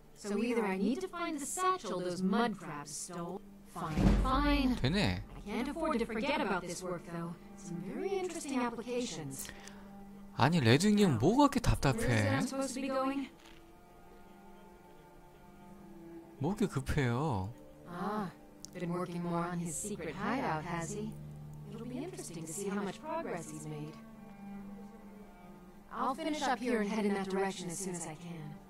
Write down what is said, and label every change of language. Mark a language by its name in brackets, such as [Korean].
[English] So either I need to find the satchel those mud crabs stole. Fine. [Korean] 되네. [English] I can't afford to forget about this work though. Some very interesting applications. [Korean] 아니 레드님 뭐가 그렇게 답답해? 뭐가 급해요? [English] 아, been working more on his secret hideout, has he? It'll be interesting to see how much progress he's made. I'll finish up here and head in that direction as soon as I can.